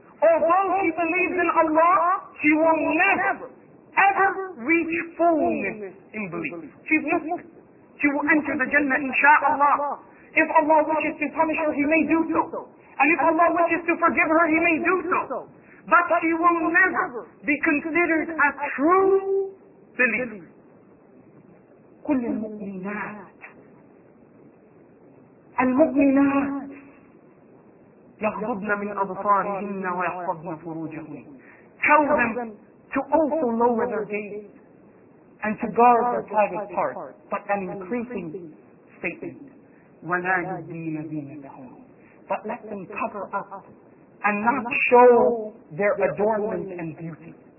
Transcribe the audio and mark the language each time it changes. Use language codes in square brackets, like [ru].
[en] although she believes in Allah, she will never, ever reach fullness in belief. She's Muslim. She will enter the Jannah, insha'Allah. If Allah wishes to punish her, He may do so. And if Allah wishes to forgive her, He may do so. But she will never be considered a true believer. [ar] قل للمؤمنات المؤمنات يغضبن من أبصارهن ويحفظن فروجهن. [en] Tell them to also lower their gaze and to guard their private parts. But an increasing statement, [ar] ولا يبدين زينتهن. [en] But let them cover up and not show their adornment and beauty.